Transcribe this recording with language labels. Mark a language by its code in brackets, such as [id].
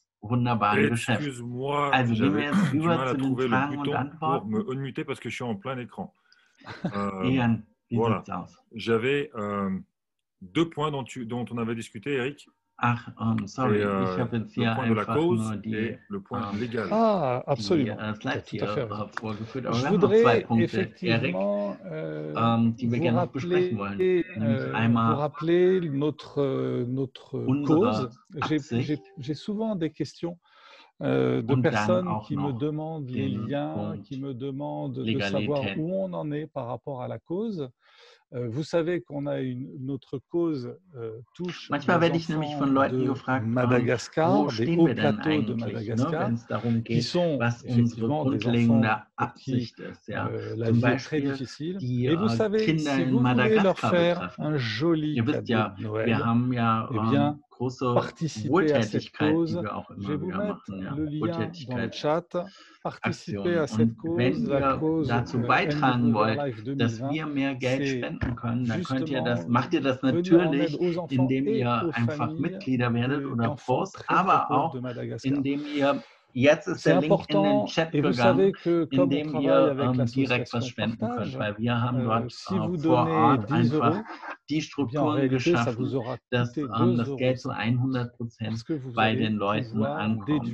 [fr] Excuse-moi, j'avais du mal à trouver le bouton pour me unmuter parce que je suis en plein écran. Ian, j'avais deux points dont on avait discuté, Eric. [de] Ach, sorry, ich habe jetzt hier einfach nur die [fr] Ah, absolument. [de] Die, Slides hier vorgeführt. Aber wir haben noch zwei Punkte, Eric, die wir gerne noch besprechen wollen. Einmal [fr] vous rappeler notre cause. J'ai souvent des questions. De personnes qui me demandent les liens, qui me demandent de savoir où on en est par rapport à la cause. Vous savez qu'on a une notre cause touche [de] manchmal werde ich nämlich von Leuten gefragt, [fr] Madagascar, des hauts plateaux de Madagascar, qui sont effectivement des enfants qui la vie est très difficile. Et vous savez, si vous voulez leur faire un joli cadeau de Noël, eh bien, participer à cette cause, je vais vous mettre le lien dans le chat, participer à cette cause, la cause [de] dazu beitragen wollt, dass wir mehr Geld spenden können, dann könnt ihr das, macht ihr das natürlich, indem ihr einfach Mitglieder werdet oder Post, aber auch indem ihr jetzt ist der Link in den Chat gegangen, in dem ihr direkt was spenden könnt, weil wir haben dort vor Ort einfach die Strukturen geschaffen, dass das Geld zu 100% bei den Leuten ankommt.